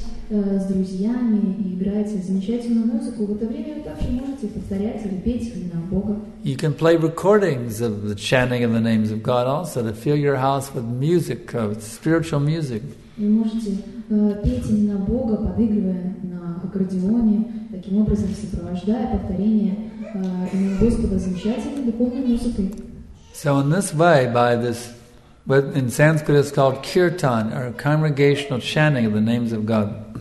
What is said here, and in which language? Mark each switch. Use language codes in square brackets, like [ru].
[ru] С друзьями и играете замечательную музыку, в это время вы также можете повторять или петь имена Бога. [en] You can play recordings of the chanting of the names of God also to fill your house with music, with spiritual music. [ru] Вы можете петь имена Бога, подыгрывая на аккордеоне, таким образом сопровождая повторение имен Господа замечательной духовной музыкой. [en] So in this way, by this But in Sanskrit it's called kirtan, or congregational chanting of the names of God.